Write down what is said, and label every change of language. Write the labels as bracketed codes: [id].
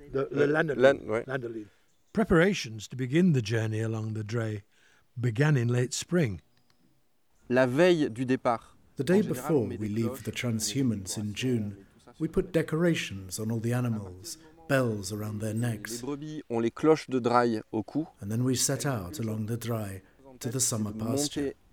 [fr] Lanoline. [en] Preparations to begin the journey along the dray began in late spring. [fr] La veille du départ. [en] The day before we leave for the transhumance in June, we put decorations on all the animals, bells around their necks. [fr] Les brebis ont les cloches de drail au cou. [en] And then we set out along the dray to the summer pasture.